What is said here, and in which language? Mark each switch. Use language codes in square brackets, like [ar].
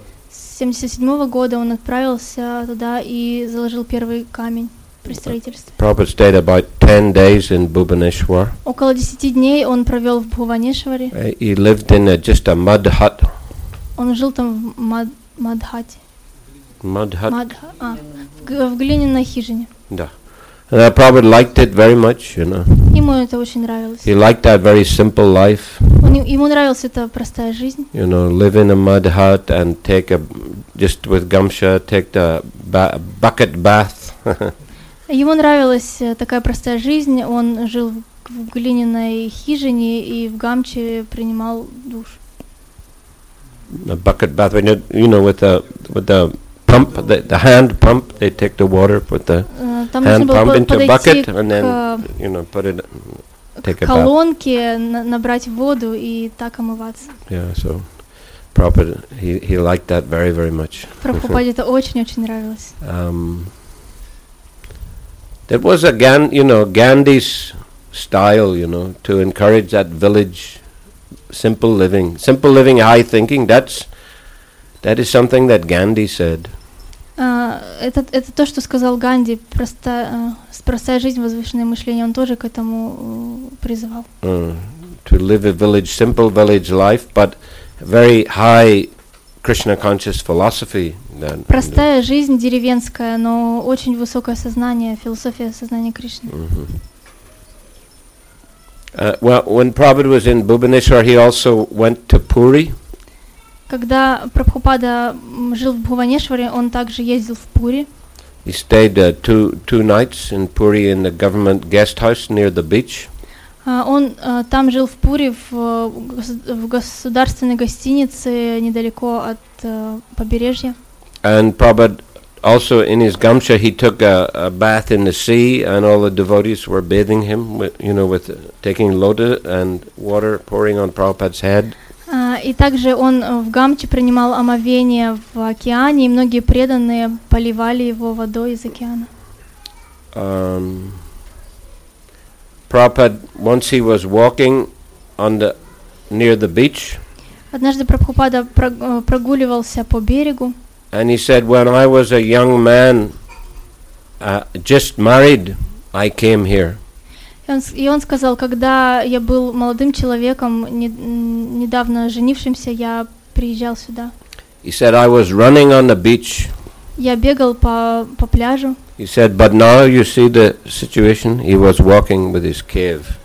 [ru] 77-го года он отправился туда и заложил первый камень при строительстве. [en] Prabhupada stayed about 10 days in Bhubaneswar. [ru] Около 10 дней он провел в Бхуванешваре. [en] He lived in just a mud hut. [ru] Он жил там в [en] mud hut. [ru] В глиняной хижине. Да. [en] And Prabhupada liked it very much, you know. [ru] Ему это очень нравилось. [en] He liked that very simple life. [ru] Ему нравилась эта простая жизнь. [en] You know, live in a mud hut and take a just with gumsha, take the bucket bath. [ru] Ему нравилась такая простая жизнь. Он жил в глиняной хижине и в гамче принимал душ. [en] A bucket bath, you know, with the pump, the hand pump, they take the water, put the hand pump into a bucket, and then, you know, put it, take a bath. [ru] К колонке набрать воду и так омываться. [en] Yeah, so, Prabhupada, he liked that very, very much. [ru] Прабхупаде это очень-очень нравилось. [en] That was a Gandhi's style, you know, to encourage that village, simple living, high thinking, that is something that Gandhi said. [ru] Это то, что сказал Ганди. Простая жизнь, возвышенное мышление. Он тоже к этому призывал. [en] To live a village, simple village life, but very high Krishna conscious philosophy. That, [ru] простая жизнь деревенская, но очень высокое сознание, философия сознания Кришны. Mm-hmm. [en] Well, when Prabhupada was in Bhubaneswar, he also went to Puri. [ru] Когда Прабхупада жил в Бхуванешваре, он также ездил в Пури. [en] He stayed two nights in Puri in the government guest house near the beach. [ru] Он там жил в Пури в государственной гостинице недалеко от побережья. [en] And Prabhupada also in his gamsha he took a bath in the sea, and all the devotees were bathing him with taking lotus and water pouring on Prabhupada's head. [ru] И также он в гамче принимал омовение в океане, и многие преданные поливали его водой из океана. [en] Prabhupada, once he was walking near the beach. [ru] Однажды Прабхупада прогуливался по берегу. [en] And he said, when I was a young man, just married, I came here. [ru] И он сказал, когда я был молодым человеком, недавно женившимся, я приезжал сюда. [en] He said, I was running on the beach. [ru] Я бегал по пляжу. [en] He said, but now you see the situation. He was walking with his cane.